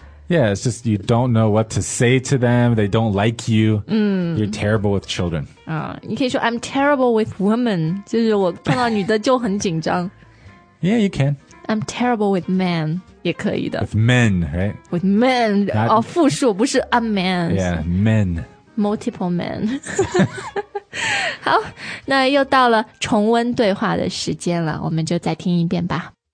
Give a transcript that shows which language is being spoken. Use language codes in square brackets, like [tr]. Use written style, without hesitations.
[en] Yeah, it's just you don't know what to say to them They don't like you、 [zh] 嗯、 [en] You're terrible with children、 [zh] 你可以说 [en] I'm terrible with women [zh] 就是我碰到女的就很紧张 [en] Yeah, you can I'm terrible with men, [zh] 也可以的。 [en] With men, right? With men, [zh] 哦，复数，不是 [en] a man. Yeah, men. Multiple men. [zh] 好，那又到了重温对话的时间了，我们就再听一遍吧。